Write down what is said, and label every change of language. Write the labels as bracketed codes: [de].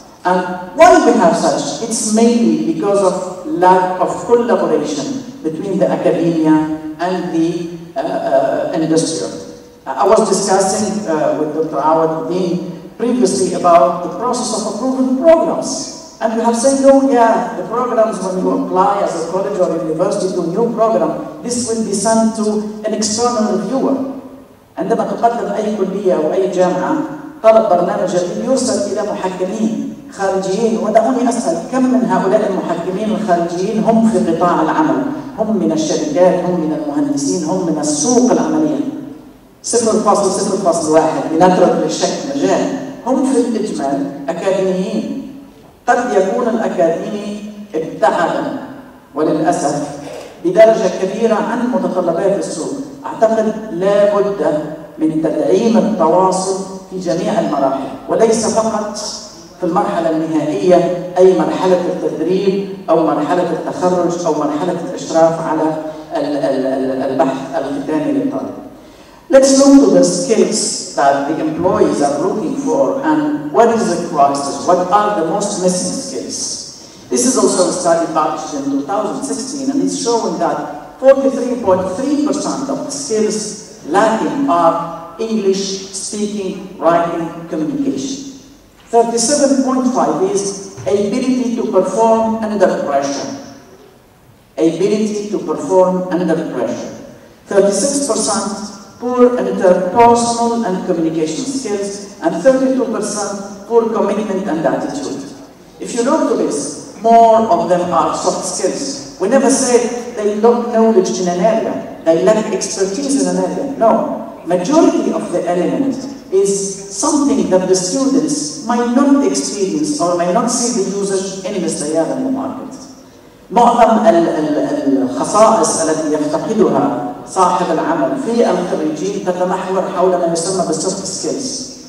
[en] And why we have such? It's mainly because of lack of collaboration between the academia and the industry. I was discussing with Dr. Awad Din previously about the process of approving programs. And you have said, no, yeah, the programs when you apply as a college or a university to a new program, this will be sent to an external reviewer. [ar] عندما تقدم أي كلية أو أي جامعة طلب برنامج يوصل إلى محكمين خارجيين ودعوني أسأل كم من هؤلاء المحكمين الخارجيين هم في قطاع العمل هم من الشركات هم من المهندسين هم من السوق العملية 0.0.1 لنترك للشك مجال هم في الإجمال أكاديميين قد يكون الأكاديمي ابتعد وللأسف بدرجة كبيرة عن متطلبات السوق أعتقد لا بد من تدعيم التواصل في جميع المراحل وليس فقط في المرحلة النهائية أي مرحلة التدريب أو مرحلة التخرج أو مرحلة الإشراف على البحث الختامي للطالب. [en] Let's look to the skills that the employees are looking for and what is the crisis, what are the most missing skills. This is also a study published in 2016 and it's showing that 43.3% of the skills lacking are English speaking, writing, communication. 37.5% is ability to perform under pressure. Ability to perform under pressure. 36% poor interpersonal and communication skills, and 32% poor commitment and attitude. If you look to this, more of them are soft skills. We never say they lack knowledge in an area, they lack expertise in an area. No, majority of the element is something that the students might not experience or might not see the usage in the sale in the market. [ar] معظم الخصائص التي يفتقدها صاحب العمل في الخريجين تتمحور حول ما يسمى بالسوفت سكيلز.